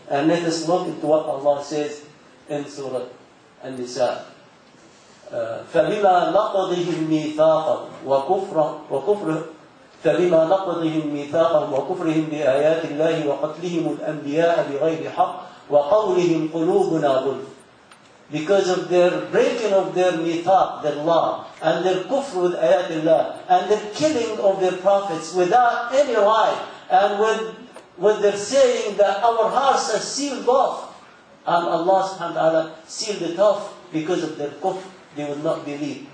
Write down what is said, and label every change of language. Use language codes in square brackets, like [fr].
[en] And let us look into what Allah says in Surah An-Nisa. [ar] فَلِمَا نَقْضِهِمْ مِيثَاقًا وَكُفْرًا فلما نقضهم ميثاقهم وكفرهم بآيات الله وقتلهم الأنبياء بغير حق وقولهم قلوبنا غلف. [en] Because of their breaking of their mithaq, their law, and their kufr with ayat Allah, and their killing of their prophets without any right, and with their saying that our hearts are sealed off, and Allah subhanahu wa ta'ala sealed it off because of their kufr, they will not believe.